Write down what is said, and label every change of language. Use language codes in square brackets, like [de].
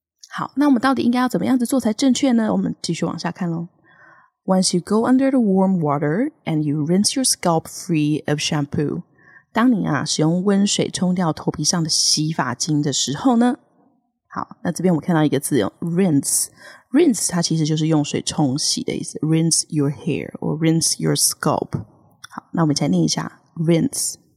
[zh] 好，那我们到底应该要怎么样子做才正确呢？我们继续往下看咯。 [en] Once you go under the warm water and you rinse your scalp free of shampoo， [zh] 当你啊使用温水冲掉头皮上的洗发精的时候呢，好，那这边我们看到一个字哦， rinse 它其实就是用水冲洗的意思， [en] rinse your hair or rinse your scalp。 [zh] 好，那我们再念一下， rinse.